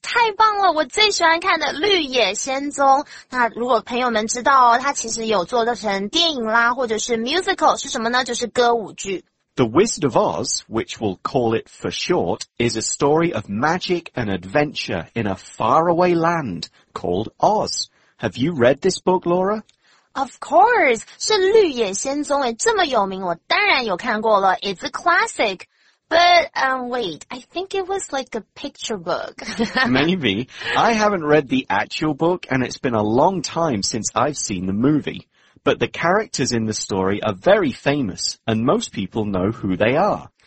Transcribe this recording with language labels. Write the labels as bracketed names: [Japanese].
[Chinese] 太棒了，我最喜欢看的绿野仙踪。那如果朋友们知道，它其实有做成电影啦，或者是 musical, 是什么呢？就是歌舞剧。 [English] The Wizard of Oz, which we'll call it for short, is a story of magic and adventure in a faraway land called Oz. Have you read this book, Laura? Of course, [Chinese] 是绿野仙踪诶，这么有名，我当然有看过了。 [English] It's a classic. But, wait, I think it was like a picture book. Maybe. I haven't read the actual book, and it's been a long time since I've seen the movie. But the characters in the story are very famous, and most people know who they are.